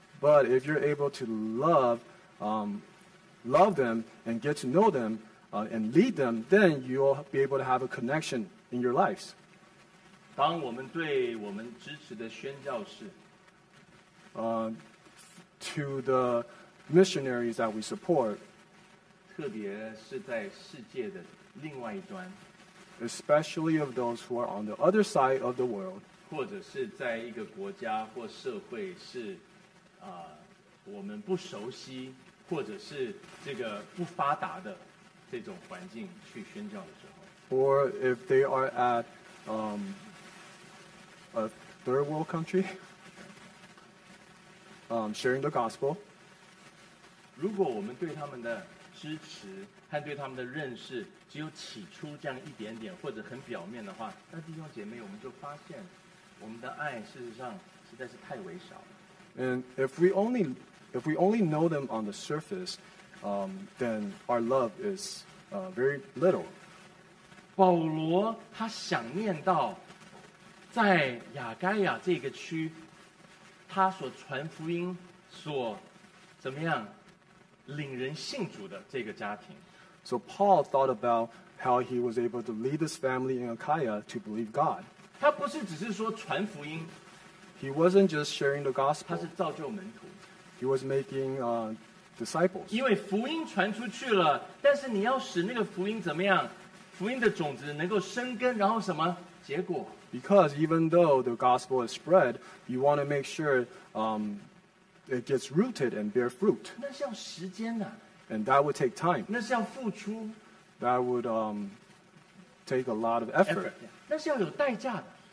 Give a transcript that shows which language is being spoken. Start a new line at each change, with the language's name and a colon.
English: But if you're able to love them and get to know them, and lead them, then you'll be able to have a connection in your lives.
Chinese: 当我们对我们支持的宣教士
English: To the missionaries that we support,
Chinese: 特别是在世界的另外一端，
English: especially of those who are on the other side of the world,
Chinese: 或者是在一个国家或社会是我们不熟悉或者是这个不发达的这种环境去宣教的时候，
English: or if they are at a third world country. Sharing the gospel.
Chinese: 如果我们对他们的支持和对他们的认识只有起初这样一点点或者很表面的话，那弟兄姐妹，我们就发现我们的爱事实上实在是太微小了。
English: And if we only know them on the surface, then our love is very little.
Chinese: 保罗他想念到在雅盖亚这个区他所传福音所怎么样领人信主的这个家庭。
English: So Paul thought about how he was able to lead this family in Achaia to believe God.
Chinese: 他不是只是说传福音。
English: He wasn't just sharing the gospel.
Chinese: 他是造就门徒。
English: He was making disciples.
Chinese: 因为福音传出去了，但是你要使那个福音怎么样？福音的种子能够生根，然后什么结果？
English: Because even though the gospel is spread, you want to make sure it gets rooted and bear fruit.
Chinese: 那是要时间的。
English: And that would take time.
Chinese: 那是要付出。
English: That would take a lot of effort.
Chinese: 那是要有代价的。